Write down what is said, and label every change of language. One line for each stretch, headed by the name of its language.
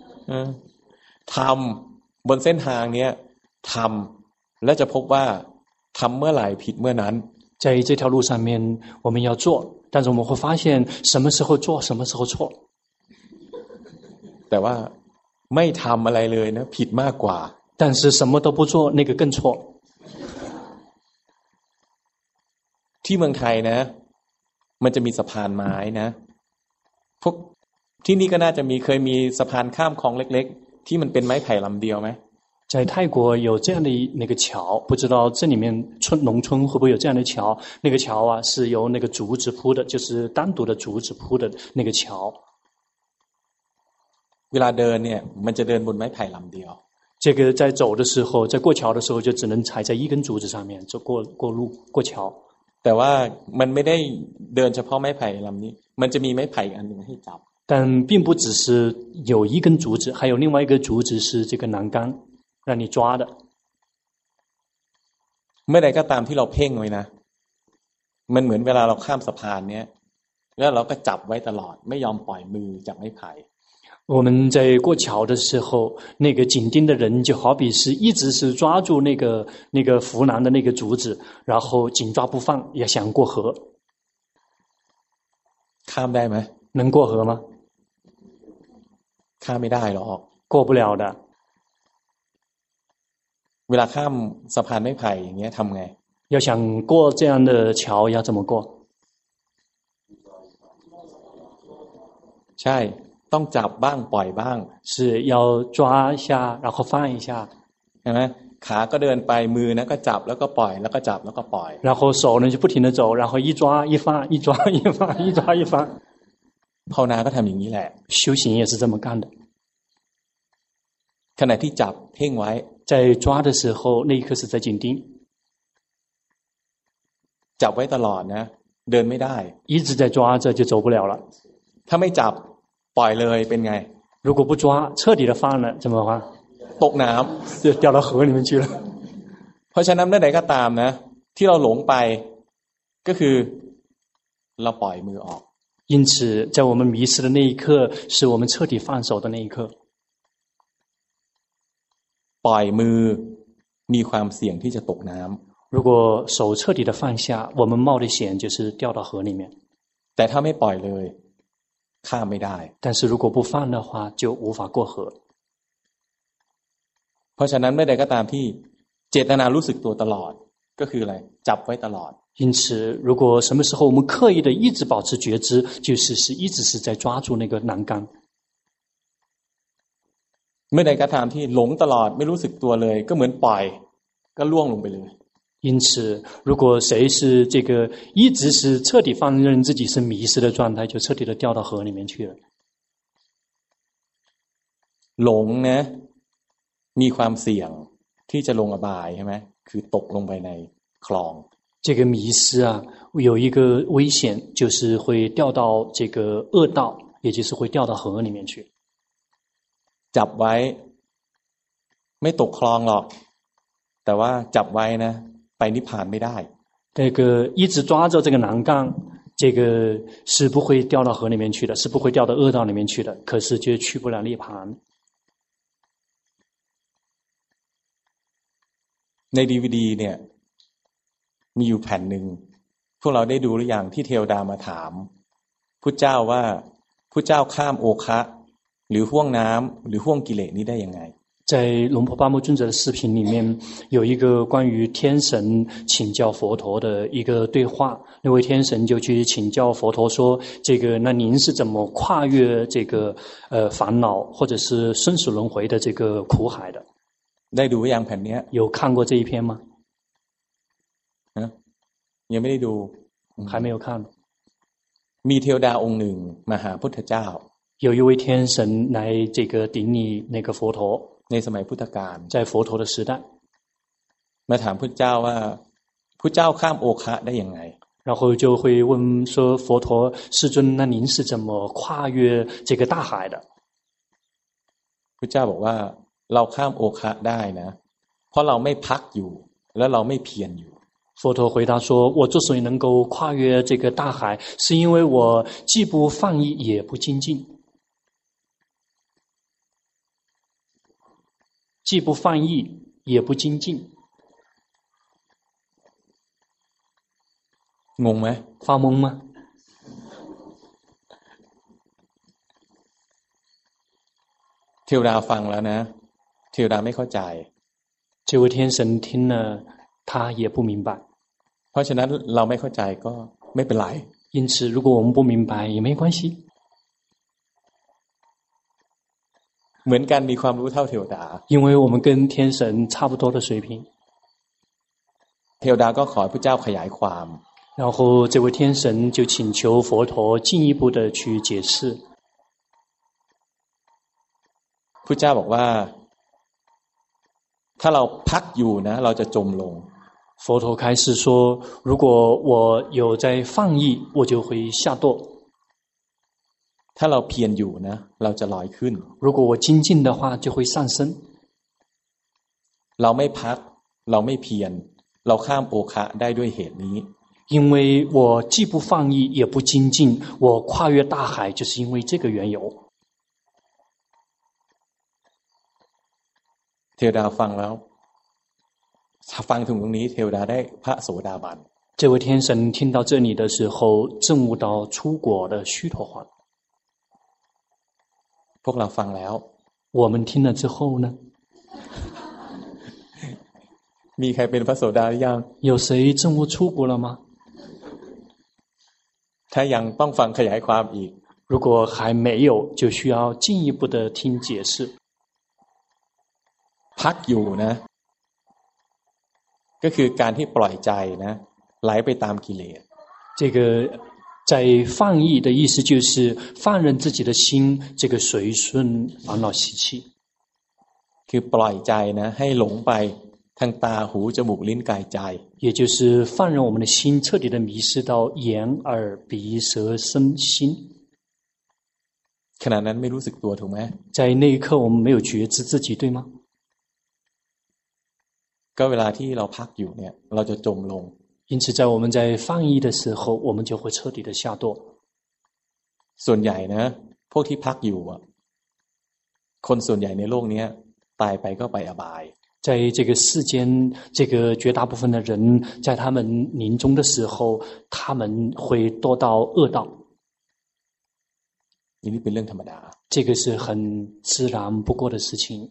Thai: 嗯，ทำบนเส้นทางเนี้ยทำและจะพบว่าทำเมื่อไหร่ผิดเมื่อนั้น。
Chinese: 在这条路上面，我们要做，但是我们会发现什么时候做，什么时候错。
Thai: แต่ว่าไม่ทำอะไรเลยนะผิดมากกว่า。
Chinese: 但是什么都不做那个更错。
Thai: ที่เมืองไทยนะมันจะมีสะพานไม้นะพวกที่นี่ก็น่าจะมีเคยมีสะพานข้ามคลองเล็กๆที่มันเป็นไม้ไผ่ลำเดียวไหม
Chinese: 在泰国有这样的那个桥，不知道这里面村农村会不会有这样的桥？那个桥啊，是由那个竹子铺的，就是单独的竹子铺的那个桥。
Thai: เวลาเดินเนี่ยมันจะเดินบนไม้ไผ่ลำเดียว。
Chinese: 这个在走的时候，在过桥的时候，就只能踩在一根竹子上面，就过路过桥。
Thai: แต่ว่ามันไม่ได้เดินเฉพาะไม้ไผ่ลำนี้มันจะมีไม้ไผ่อันหนึ่งให้จับ
Chinese: 但并不只是有一根竹子还有另外一个竹子是这个栏杆让你抓的
Thai: เมื่อใดก็ตามที่เราเพ่งไว้นะมันเหมือนเวลาเราข้ามสะพานเนี้ยแล้วเราก็จับไว้ตลอดไม่ยอมปล่อยมือจากไม้ไผ่
Chinese: 我们在过桥的时候，那个紧盯的人就好比是一直是抓住那个扶栏的那个竹子，然后紧抓不放，也想过河。看得没？能过河吗？看没带了哦，过不了的。
Thai: เวลาข้ามสะพานไม้ไผ่อย่างเงี้ยทำไง？
Chinese: 要想过这样的桥，要怎么过？
Thai: ใช่ต้องจับบ้างปล่อยบ้าง
Chinese: 是要抓一下然后放一下
Thai: เห็นไหมขาก็เดินไปมือนะก็จับแล้วก็ปล่อยแล้วก็จับแล้วก็ปล่อย
Chinese: 然后手呢就不停的走然后一抓一放一抓一放一抓一放
Thai: ภาวนาก็ทำอย่างนี้แหละ
Chinese: 修行也是这么干的
Thai: ขณะที่จับเพ่งไว้
Chinese: 在抓的时候那一刻是在紧盯
Thai: จับไว้ตลอดนะเดินไม่ได้
Chinese: 一直在抓着就走不了了
Thai: ถ้าไม่จับปล่อยเลยเป็นไง
Chinese: 如果不抓彻底的放了怎么办
Thai: ตกน้ำ
Chinese: 就掉到河里面去了
Thai: เพราะฉะนั้นใดก็ตามนะที่เราหลงไปก็คือเราปล่อยมือออก
Chinese: 因此在我们迷失的那一刻是我们彻底放手的那一刻
Thai: ปล่อยมือมีความเสี่ยงที่จะตกน้ำ
Chinese: 如果手彻底的放下我们冒的险就是掉到河里面
Thai: แต่ถ้าไม่ปล่อยเลยข้ามไม่ได้
Chinese: 但是如果不放的话就无法过河
Thai: เพราะฉะนั้นเมื่อใดก็ตามที่เจตนารู้สึกตัวตลอดก็คืออะไรจับไว้ตลอด
Chinese: 因此如果什么时候我们刻意的一直保持觉知就是是一直是在抓住那个栏杆
Thai: เมื่อใดก็ตามที่หลงตลอดไม่รู้สึกตัวเลยก็เหมือนปล่อยก็ล่วงลงไปเลย
Chinese: 因此如果谁是这个一直是彻底放任自己是迷失的状态就彻底的掉到河里面去了
Thai: หลงนะมีความเสี่ยงที่จะลงอบายใช่ไหมคือตกลงไปในคลอง
Chinese: 这个迷失啊有一个危险就是会掉到这个恶道也就是会掉到河里面去
Thai: จับไว้ไม่ตกคลองหรอกแต่ว่าจับไว้นะไปนิพพานไม่ได้
Chinese: 那个一直抓着这个栏杆这个是不会掉到河里面去的是不会掉到恶道里面去的可是就去不了涅槃
Thai: ใน DVD เนี่ยมีอยู่แผ่นหนึ่งพวกเราได้ดูหรือยังที่เทวดามาถามพุทธเจ้าว่าพุทธเจ้าข้ามโอคะหรือห้วงน้ำหรือห้วงกิเลสนี้ได้ยังไง
Chinese: 在龙婆巴木尊者的视频里面有一个关于天神请教佛陀的一个对话那位天神就去请教佛陀说这个那您是怎么跨越这个烦恼或者是生死轮回的这个苦海的在读一样盆呢有看过这一篇吗嗯有没有读还没有看
Thai: มีเทวดาองค์หนึ่งมหาพุทธเจ้า
Chinese: 有一位天神来这个顶礼那个佛陀
Thai: ในสมัยพุทธกาล
Chinese: 在佛陀的时代
Thai: มาถามพุทธเจ้าว่าพุทธเจ้าข้ามโอคะได้ยังไง
Chinese: 然后就会问说佛陀世尊那您是怎么跨越这个大海的
Thai: พุทธเจ้าบอกว่าเราข้ามโอคะได้นะเพราะเราไม่พักอยู่และเราไม่เพียรอยู่
Chinese: 佛陀回答说我之所以能够跨越这个大海是因为我既不放逸也不精进既不放逸也不精进懵没发懵吗
Thai: เทวดาฟังแล้วนะเทวดาไม่เข้าใจ
Chinese: 这位天神听了他也不明白。
Thai: เพราะฉะนั้นเราไม่เข้าใจก็ไม่เป็นไร。
Chinese: 因此如果我们不明白也没关系。
Thai: เหมือนกันมีความรู้เท่าเทวดา。
Chinese: 因为我们跟天神差不多的水平。
Thai: เทวดาก็ขอพระเจ้าขยายความ。
Chinese: 然后这位天神就请求佛陀进一步的去解释。
Thai: พระเจ้าบอกว่าถ้าเราพักอยู่นะเราจะจมลง。
Chinese: 佛陀开始说如果我有在放逸我就会下堕。
Thai: ถ้าเราเพียรอยู่นะเราจะลอยขึ้น。
Chinese: 如果我精进的话就会上升。
Thai: เราไม่พักเราไม่เพียรเราข้ามโอคะได้ด้วยเหตุนี้。
Chinese: 因为我既不放逸也不精进我跨越大海就是因为这个缘由。
Thai: เทวดาฟังแล้วฟังถึงตรงนี้เทวดาได้พระโสดาบัน
Chinese: 这位天神听到这里的时候证悟到出果的须陀洹
Thai: พวกเราฟังแล้ว
Chinese: 我们听了之后呢
Thai: มีใครเป็นพระโสดาหรือยัง
Chinese: 有谁证悟出果了吗
Thai: ถ้ายังต้องฟังขยายความอีก
Chinese: 如果还没有就需要进一步的听解释
Thai: พักอยู่นะก็คือการที่ปล่อยใจนะไหลไปตามกิเลส
Chinese: 这个在放逸的意思就是放任自己的心这个随顺烦恼习气
Thai: คือปล่อยใจนะให้หลงไปทางตาหูจมูกลิ้นกายใจ
Chinese: 也就是放任我们的心彻底的迷失到眼耳鼻舌身心
Thai: ขณะนั้นไม่รู้สึกตัวถูกไหม
Chinese: 在那一刻我们没有觉知自己对吗
Thai: ก็เวลาที่เราพักอยู่เนี่ยเราจะจมลง
Chinese: 因此在我们在放逸的时候我们就会彻底的下堕
Thai: ส่วนใหญ่นะพวกที่พักอยู่อ่ะคนส่วนใหญ่ในโลกเนี้ยตายไปก็ไปอบาย
Chinese: 在这个世间这个绝大部分的人在他们临终的时候他们会堕到恶道
Thai: นี่เป็นเรื่องธรรมดา
Chinese: 这个是很自然不过的事情